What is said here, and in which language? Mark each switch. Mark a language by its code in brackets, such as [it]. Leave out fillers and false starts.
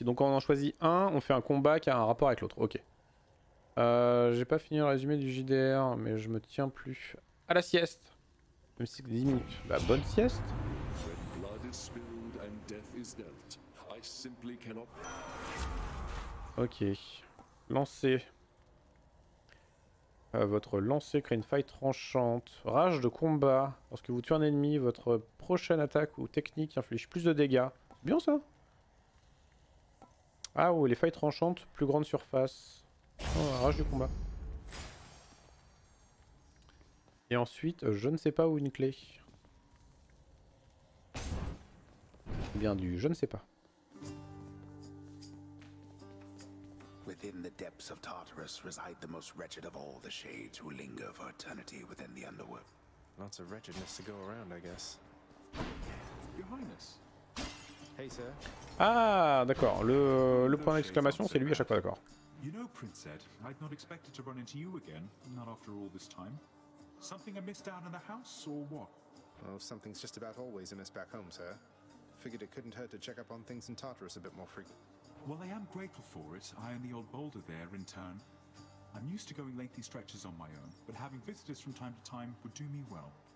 [fr] Donc on en choisit un, on fait un combat qui a un rapport avec l'autre. Ok. J'ai pas fini le résumé du JDR, mais je me tiens plus à la sieste. Même si c'est 10 minutes. Bah, bonne sieste. [en] When blood is spilled and death is dealt, I simply cannot... [fr] Ok. Lancer. Votre lancer crée une faille tranchante. Rage de combat. Lorsque vous tuez un ennemi, votre prochaine attaque ou technique inflige plus de dégâts. C'est bien ça. Ah oui, les failles tranchantes, plus grande surface. Oh, rage du combat. Et ensuite, je ne sais pas où une clé. Eh bien du je ne sais pas. [en] Within the depths of Tartarus reside the most wretched of all the shades who linger for eternity within the underworld. Lots of wretchedness to go around, I guess. Your Highness. Hey, sir. [fr] Ah, d'accord. Le point d'exclamation, c'est lui à chaque fois, d'accord. [en] You know, Princess, I'd not expected to run into you again, not after all this time. Something amiss down in the house, or what? Well, something's just about always amiss back home, sir. Figured it couldn't hurt to check up on things in Tartarus a bit more frequently. Well, I am grateful for it. I am the old boulder there, in turn. I'm used to going lengthy stretches on my own, but having visitors from time to time would do me well.